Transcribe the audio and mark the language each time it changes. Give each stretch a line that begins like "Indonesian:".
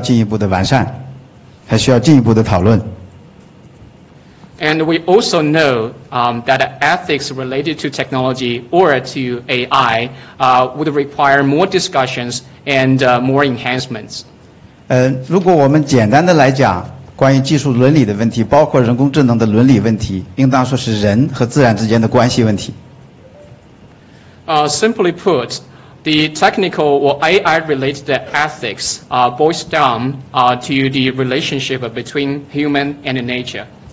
Chinese: 但是我们也要知道，关于技术伦理或人工智能伦理的问题，还需要进一步的完善，还需要进一步的讨论。
English: And we also know that ethics related to technology or to AI would require more discussions and more enhancements.
Chinese: 如果我们简单的来讲，关于技术伦理的问题，包括人工智能的伦理问题，应当说是人和自然之间的关系问题。
English: Simply put, the technical or AI related ethics boils down to the relationship between human and nature.